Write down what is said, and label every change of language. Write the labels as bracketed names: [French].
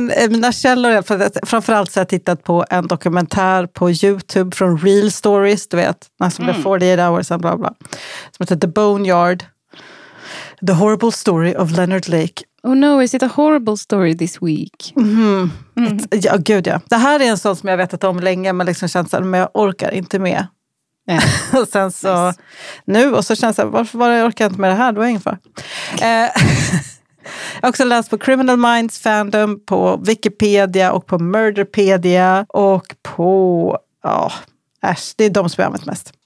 [Swedish] Mina källor, framförallt så har jag tittat på en dokumentär på YouTube från Real Stories, du vet, som blev 48 hours och bla bla, som heter The Boneyard, The Horrible Story of Leonard Lake. [English] Oh no, is it a horrible story this week? [Swedish] Gud ja. Det här är en sån som jag vetat om länge, men liksom känns att jag orkar inte med. [English] Yeah. [Swedish] Och sen så nu, och så känns det, varför var jag orkar inte med det här då ungefär? Jag har också läst på Criminal Minds fandom, på Wikipedia och på Murderpedia och på, det är de som jag använt mest.